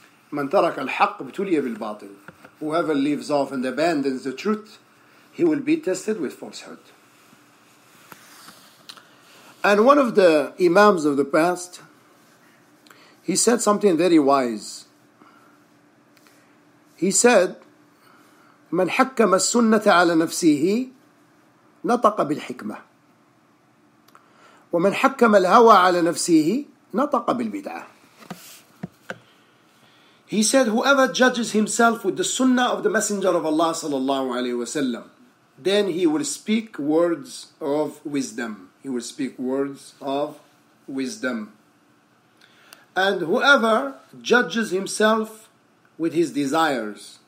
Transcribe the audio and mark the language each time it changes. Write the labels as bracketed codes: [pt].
[ar] Man taraka al-haq btuliya bil-batil. [en] Whoever leaves off and abandons the truth, he will be tested with falsehood. And one of the imams of the past, he said something very wise. He said, [ar] "من حكم السنة على نفسه نطق بالحكمة، ومن حكم الهوى على نفسه نطق بالبدعة." [en] He said, "Whoever judges himself with the Sunnah of the Messenger of Allah sallallahu alaihi wasallam, then he will speak words of wisdom. He will speak words of wisdom." And whoever judges himself with his desires,